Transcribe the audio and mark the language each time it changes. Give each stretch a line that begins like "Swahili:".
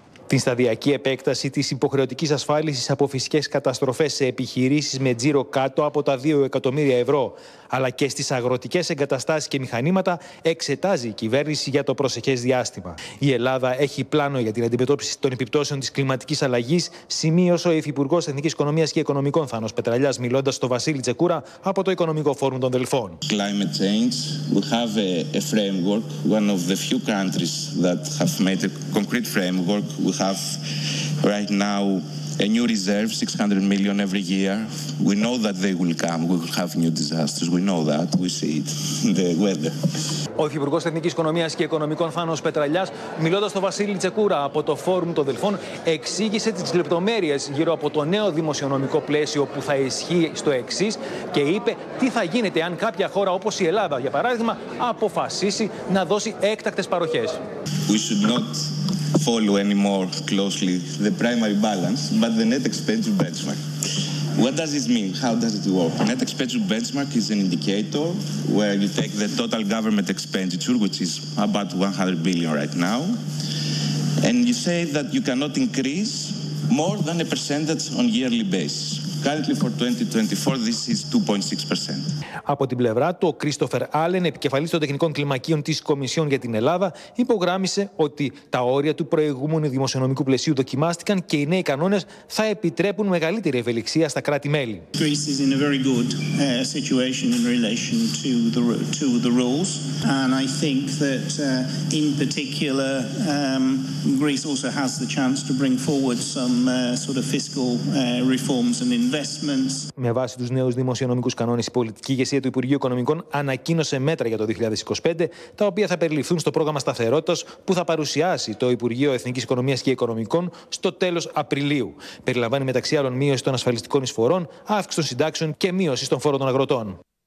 Greek: Την σταδιακή επέκταση της υποχρεωτικής ασφάλισης από φυσικές καταστροφές σε επιχειρήσεις με τζίρο κάτω από τα 2 εκατομμύρια ευρώ, αλλά και στις αγροτικές εγκαταστάσεις και μηχανήματα, εξετάζει η κυβέρνηση για το προσεχές διάστημα. Η Ελλάδα έχει πλάνο για την αντιμετώπιση των επιπτώσεων της κλιματικής αλλαγής, σημείωσε ο Υφυπουργός Εθνικής Οικονομίας και Οικονομικών Θάνος Πετραλιάς, μιλώντας στο Βασίλη Τσεκούρα από το Οικονομικό Φόρουμ των Δελφών.
English: Climate change, we have a framework, one of the few countries that have made a concrete framework. We have right now a new reserve, 600 million every year. We know that they will come. We will have new disasters. We know that. We see it. The weather.
Greek: Ο Υφυπουργός Εθνικής Οικονομίας και Οικονομικών Θάνος Πετραλιάς, μιλώντας στο Βασίλη Τσεκούρα από το Φόρουμ των Δελφών, εξήγησε τις λεπτομέρειες γύρω από το νέο δημοσιονομικό πλαίσιο που θα ισχύει στο εξής και είπε τι θα γίνεται αν κάποια χώρα όπως η Ελλάδα, για παράδειγμα, αποφασίσει να δώσει έκτακτες παροχές.
English: We should not follow anymore closely the primary balance, but the net expenditure benchmark. What does this mean? How does it work? Net expenditure benchmark is an indicator where you take the total government expenditure, which is about 100 billion right now, and you say that you cannot increase more than a percentage on yearly basis. Currently for 2024, this is 2.6%.
Greek: Από την πλευρά του, ο Κρίστοφερ Άλεν, επικεφαλής των τεχνικών κλιμακίων της Κομισιόν για την Ελλάδα, υπογράμμισε ότι τα όρια του προηγούμενου δημοσιονομικού πλαισίου δοκιμάστηκαν και οι νέοι κανόνες θα επιτρέπουν μεγαλύτερη ευελιξία στα κράτη-μέλη.
English: Greece is in a very good situation in relation to the rules, and I think that in particular Greece also has the chance to bring forward some sort of fiscal reforms and investments.
Greek: Με βάση τους νέους δημοσιονομικούς κανόνες, η πολιτική ηγεσία του Υπουργείου Οικονομικών ανακοίνωσε μέτρα για το 2025, τα οποία θα περιληφθούν στο πρόγραμμα σταθερότητας που θα παρουσιάσει το Υπουργείο Εθνικής Οικονομίας και Οικονομικών στο τέλος Απριλίου. Περιλαμβάνει μεταξύ άλλων μείωση των ασφαλιστικών εισφορών, αύξηση των συντάξεων και μείωση των φόρων των αγροτών.